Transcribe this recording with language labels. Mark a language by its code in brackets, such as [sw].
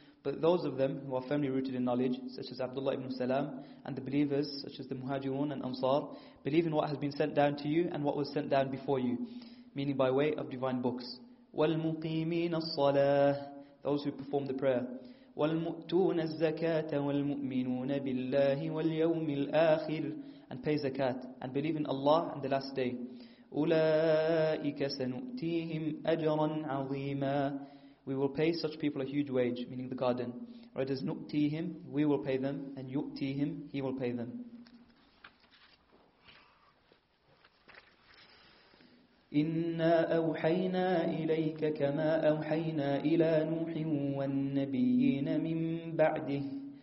[en] But those of them who are firmly rooted in knowledge, such as Abdullah ibn Salam, and the believers, such as the Muhajirun and Ansar, believe in what has been sent down to you and what was sent down before you, meaning by way of divine books. [ar] وَالْمُقِيمِينَ الصَّلَاةِ. [en] Those who perform the prayer. [ar] وَالْمُؤْتُونَ الزَّكَاةَ وَالْمُؤْمِنُونَ بِاللَّهِ وَالْيَوْمِ الْآخِرِ. [en] And pay zakat, and believe in Allah and the last day. [ar] أُولَٰئِكَ سَنُؤْتِيهِمْ أَجْرًا عَظِيمًا. [en] We will pay such people a huge wage, meaning the garden. Right, as [ar] نُؤْتِيهِمْ, [en] we will pay them, and [ar] يُؤْتِيهِمْ, [en] he will pay them. [ar] إِنَّا أَوْحَيْنَا إِلَيْكَ كَمَا أَوْحَيْنَا إِلَىٰ نُوحٍ وَالنَّبِيِّينَ مِنْ بَعْدِهِ.